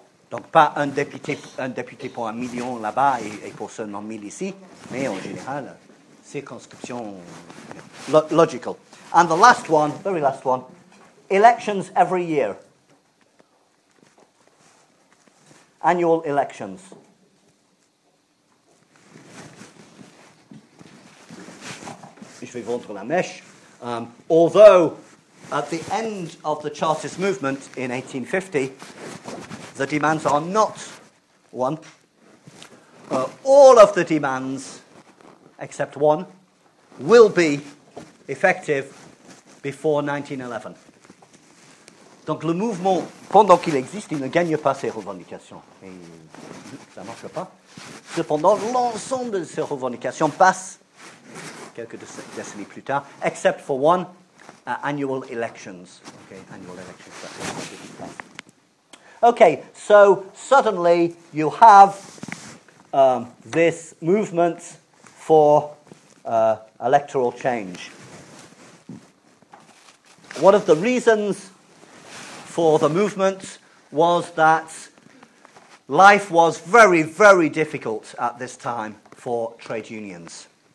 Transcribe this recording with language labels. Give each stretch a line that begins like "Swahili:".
French: Donc, pas un député pour un million là-bas et pour seulement 1 000 ici, mais en général, circonscriptions
English: logical. And the last one, very last one, elections every year. Annual elections.
French: Je vais vendre la mèche.
English: Although at the end of the Chartist movement in 1850, the demands are not one. All of the demands, except one, will be effective before 1911.
French: Donc le mouvement, pendant qu'il existe, il ne gagne pas ses revendications. Et ça ne marche pas. Cependant, l'ensemble de ses revendications passent quelques décennies plus tard,
English: except for one, annual elections. Okay, annual elections. Okay, so suddenly you have this movement for electoral change. One of the reasons for the movement was that life was very, very difficult at this time for trade unions.